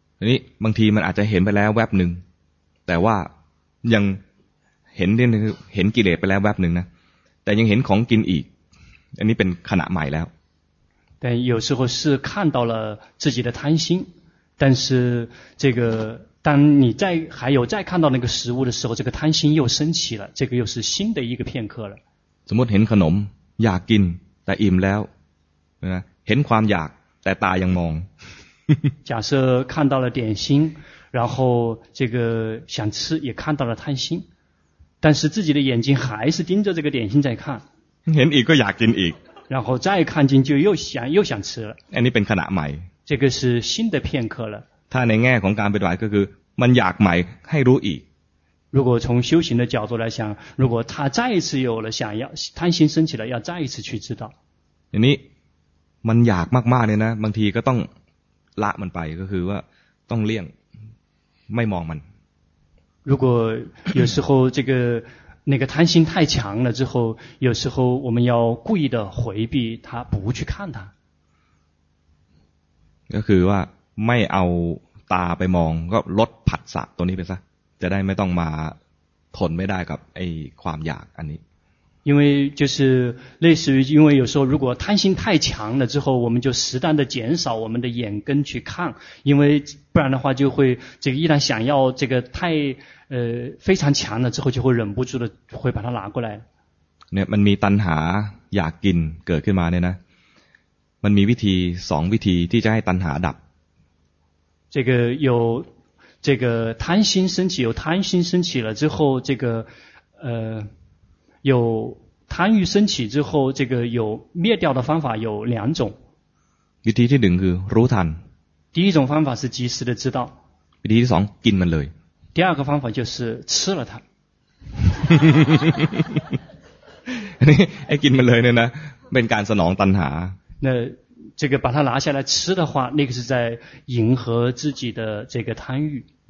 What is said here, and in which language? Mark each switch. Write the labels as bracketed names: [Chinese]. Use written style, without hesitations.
[Thai] นี่บางทีมันอาจจะเห็นไปแล้วแวบนึงแต่ว่ายังเห็นได้เห็นกิเลสไปแล้วแวบนึงนะแต่ยังเห็นของกินอีกอันนี้เป็นขณะใหม่แล้ว แต่ [Chinese] 有时候是看到了自己的贪心但是这个当你再还有再看到那个食物的时候这个贪心又升起了这个又是新的一个片刻了 [Thai] สมมติเห็นขนมอยากกินแต่อิ่มแล้วนะเห็นความอยากแต่ตายังมอง [Chinese] 假设看到了点心然后这个想吃也看到了贪心但是自己的眼睛还是盯着这个点心在看 [Thai] เห็นอีกก็อยากกินอีก [Chinese] 然后再看进去又想吃了 [Thai] อันนี้เป็นขณะใหม่ [Chinese] 这个是新的片刻了 [Thai] ถ้าในแง่ของการปฏิบัติก็คือมันอยากใหม่ให้รู้อีก [Chinese] 如果从修行的角度来想如果他再一次有了想要贪心升起了要再一次去知道 [Thai] อันนี้มันอยากมากๆเนี่ยนะบางทีก็ต้องละมันไปก็คือว่าต้องเลี่ยงไม่มองมัน [Chinese] 如果有时候这个那个贪心太强了之后有时候我们要故意的回避他不去看他 [Thai] ก็คือว่าไม่เอาตาไปมองก็ลดผัสสะตัวนี้ไปซะจะได้ไม่ต้องมาทนไม่ได้กับไอ้ความอยากอันนี้ [Chinese] 因为就是类似于，因为有时候如果贪心太强了之后，我们就适当的减少我们的眼根去看，因为不然的话就会这个一旦想要这个太非常强了之后，就会忍不住的会把它拿过来。 [Thai] เนี่ยมันมีตัณหาอยากกินเกิดขึ้นมาเนี่ยนะมันมีวิธีสองวิธีที่จะให้ตัณหาดับ [Chinese] 这个有这个贪心升起，有贪心升起了之后，这个有贪欲升起之后，这个有灭掉的方法有两种。 [Thai] วิธีที่หนึ่งคือรู้ทัน。 [Chinese] 第一种方法是及时的知道。 [Thai] วิธีที่สองกินมันเลย。 [Chinese] 第二个方法就是吃了它。 [Thai] ไอ้กินมันเลยเนี่ยนะเป็นการสนองตัณหา [Chinese] 那这个把它拿下来吃的话那个是在迎合自己的这个贪欲